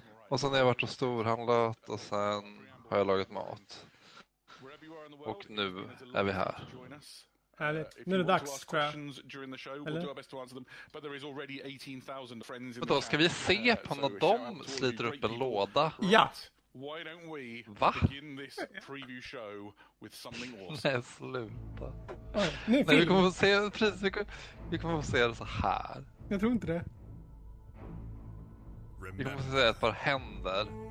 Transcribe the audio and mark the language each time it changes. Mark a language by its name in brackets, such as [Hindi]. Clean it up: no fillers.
[Swedish] Och sen har jag varit och storhandlat och sen har jag lagat mat. Och nu är vi här. Härligt. Nu är det dags, tror jag. Eller? Men då ska vi se på när de sliter upp en låda? Ja! [English] Why don't we begin this preview show with something awesome? [Swedish] Nej, sluta. Nej, vi kommer att se precis, vi kommer att se det så här. Jag tror inte det. Vi kommer att se ett par händer.